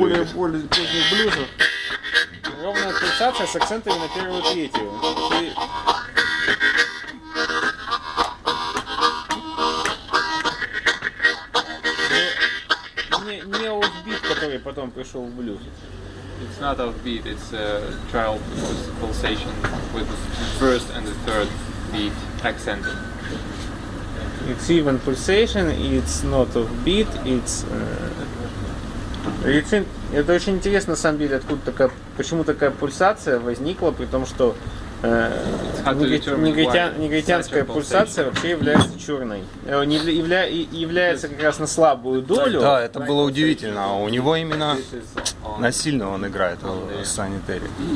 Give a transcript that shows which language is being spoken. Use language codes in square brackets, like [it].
[ru] Более поздних блюзов. Ровная пульсация с акцентами на первую третью. Не офбит, который потом пришел в блюз. [en] It's not offbeat, it's a trial pulsation with the first and the third beat accented. It's even pulsation, it's not of beat, it's... [ru] Это очень интересно, на самом деле, откуда такая... Почему такая пульсация возникла, при том, что негритянская пульсация вообще является черной. Является как раз на слабую долю. Да, это было удивительно. А у него именно на сильную он играет, в санитаре.